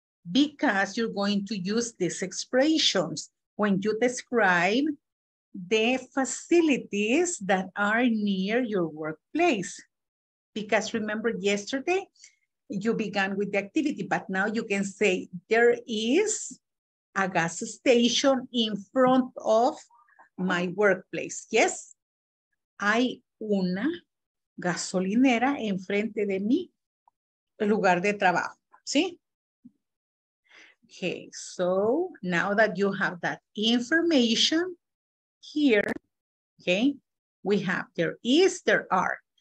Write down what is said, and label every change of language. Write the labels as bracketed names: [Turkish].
[English] Because you're going to use these expressions when you describe the facilities that are near your workplace. Because remember yesterday, you began with the activity, but now you can say there is a gas station in front of my workplace. [Spanish] Yes, hay una gasolinera enfrente de mi lugar de trabajo. ¿Sí? [English] Okay, so now that you have that information here, okay, we have there is, there are.